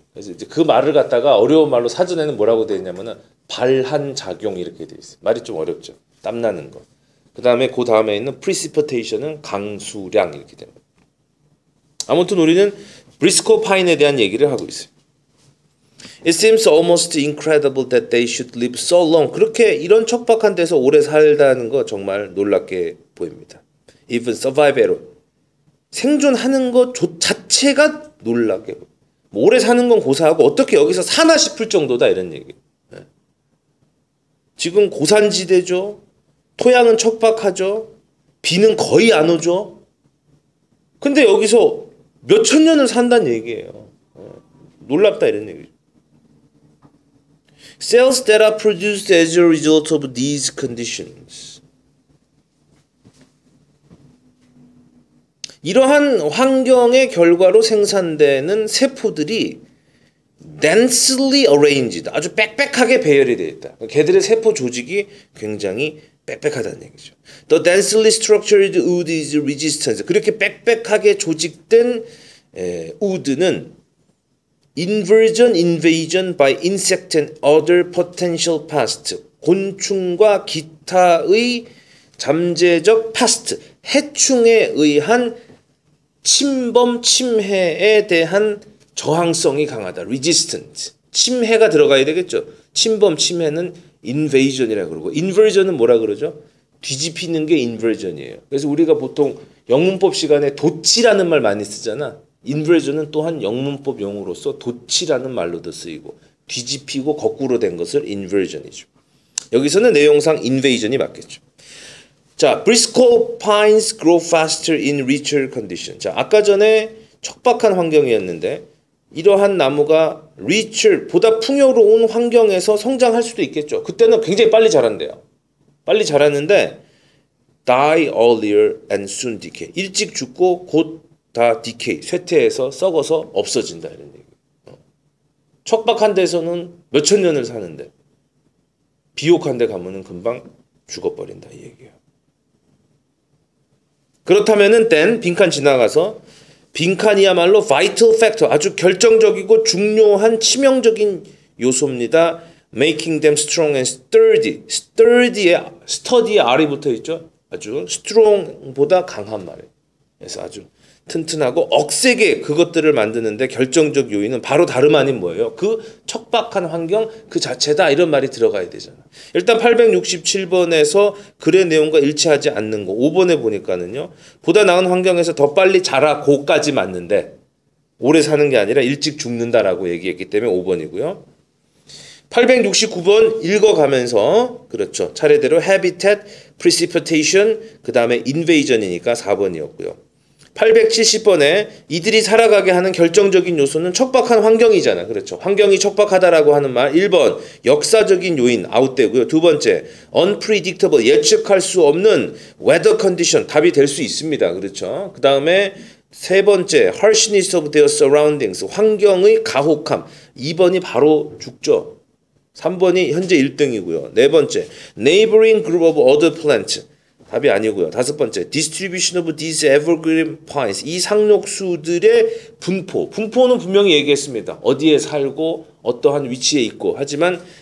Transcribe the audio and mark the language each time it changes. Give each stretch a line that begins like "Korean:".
Korean: 그래서 이제 그 말을 갖다가 어려운 말로 사전에는 뭐라고 되어 있냐면은 발한 작용 이렇게 되어 있어요. 말이 좀 어렵죠. 땀나는 거. 그 다음에 그 다음에 있는 precipitation은 강수량 이렇게 됩니다. 아무튼 우리는 브리스코 파인에 대한 얘기를 하고 있어요.
English: It seems almost incredible that they should live so long.
Korean: 그렇게 이런 척박한 데서 오래 살다는 거 정말 놀랍게 보입니다.
English: Even survival.
Korean: 생존하는 것 자체가 놀랍게 보입니다. 뭐 오래 사는 건 고사하고 어떻게 여기서 사나 싶을 정도다 이런 얘기. 지금 고산지대죠. 토양은 척박하죠. 비는 거의 안 오죠. 근데 여기서 몇천 년을 산다는 얘기예요. 놀랍다 이런 얘기죠.
English: Cells that are produced as a result of these conditions.
Korean: 이러한 환경의 결과로 생산되는 세포들이
English: densely arranged,
Korean: 아주 빽빽하게 배열이 되어 있다. 걔들의 세포 조직이 굉장히 빽빽하다는 얘기죠.
English: The densely structured wood is resistant.
Korean: 그렇게 빽빽하게 조직된 우드는
English: Inversion, invasion by insect and other potential pests.
Korean: 곤충과 기타의 잠재적 pests. 해충에 의한 침범, 침해에 대한 저항성이 강하다.
English: Resistant.
Korean: 침해가 들어가야 되겠죠. 침범, 침해는 invasion이라고 그러고. Inversion은 뭐라 그러죠? 뒤집히는 게 inversion이에요. 그래서 우리가 보통 영문법 시간에 도치라는 말 많이 쓰잖아. Inversion은 또한 영문법 용어로서 도치라는 말로도 쓰이고 뒤집히고 거꾸로 된 것을 Inversion이죠. 여기서는 내용상 Invasion이 맞겠죠.
English: 자, Briscoe pines grow faster in richer condition.
Korean: 자, 아까 전에 척박한 환경이었는데 이러한 나무가 richer, 보다 풍요로운 환경에서 성장할 수도 있겠죠. 그때는 굉장히 빨리 자란대요. 빨리 자랐는데
English: die earlier and soon decay.
Korean: 일찍 죽고 곧다 디케이, 쇠퇴해서 썩어서 없어진다 이런 얘기. 척박한 데서는 몇천 년을 사는데 비옥한 데 가면은 금방 죽어버린다 이 얘기야. 그렇다면은 땐 빈칸 지나가서 빈칸이야말로
English: vital factor,
Korean: 아주 결정적이고 중요한 치명적인 요소입니다.
English: Making them strong and sturdy.
Korean: Sturdy에 R이 붙어 있죠. 아주 strong보다 강한 말이에요. 그래서 아주 튼튼하고 억세게 그것들을 만드는데 결정적 요인은 바로 다름 아닌 뭐예요? 그 척박한 환경 그 자체다 이런 말이 들어가야 되잖아. 일단 867번에서 글의 내용과 일치하지 않는 거 5번에 보니까는요. 보다 나은 환경에서 더 빨리 자라 고까지 맞는데 오래 사는 게 아니라 일찍 죽는다라고 얘기했기 때문에 5번이고요. 869번 읽어가면서 그렇죠. 차례대로 habitat, precipitation, 그다음에 invasion이니까 4번이었고요. 870번에 이들이 살아가게 하는 결정적인 요소는 척박한 환경이잖아. 그렇죠. 환경이 척박하다라고 하는 말. 1번, 역사적인 요인, 아웃되고요. 두 번째, unpredictable, 예측할 수 없는 weather condition, 답이 될수 있습니다. 그렇죠. 그 다음에 세 번째,
English: harshness of their surroundings,
Korean: 환경의 가혹함. 2번이 바로 죽죠. 3번이 현재 1등이고요. 네 번째,
English: neighboring group of other plants.
Korean: 답이 아니고요. 다섯 번째,
English: distribution of these evergreen pines.
Korean: 이 상록수들의 분포. 분포는 분명히 얘기했습니다. 어디에 살고 어떠한 위치에 있고. 하지만